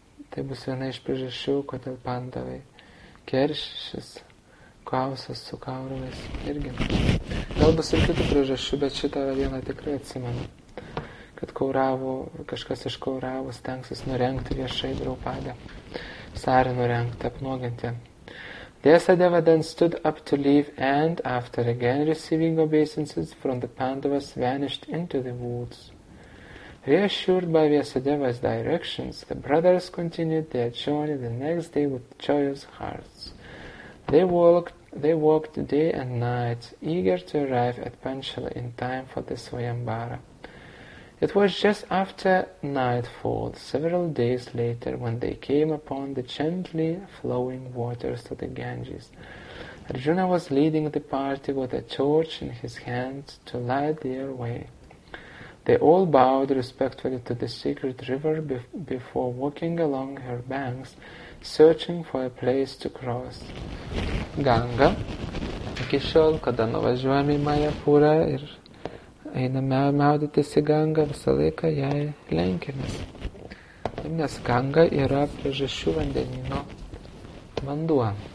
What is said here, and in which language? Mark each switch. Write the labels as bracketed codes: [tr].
[lt] Tai bus viena iš priežasčių, kodėl pandavai keršys, kausas su kaurovais irgi. Gal bus ir kitų priežasčių, bet šitą vieną tikrai atsimenu, kad kažkas iš kauravų stengsis nurengti viešai Draupadę, sarį nurengti, apnuoginti. [en] Vyasadeva then stood up to leave and, after again receiving obeisances from the Pandavas, vanished into the woods. Reassured by Vyasadeva's directions, the brothers continued their journey the next day with joyous hearts. They walked day and night, eager to arrive at Panchala in time for the Svayambhara. It was just after nightfall, several days later, when they came upon the gently flowing waters of the Ganges. Arjuna was leading the party with a torch in his hand to light their way. They all bowed respectfully to the sacred river before walking along her banks, searching for a place to cross. [lt] Ganga, iki šiol, kada nuvažiuojame į Majapurą ir einame maudytis į Gangą, visą laiką jai lenkiamės. Nes Ganga yra priežasčių vandenino vanduo.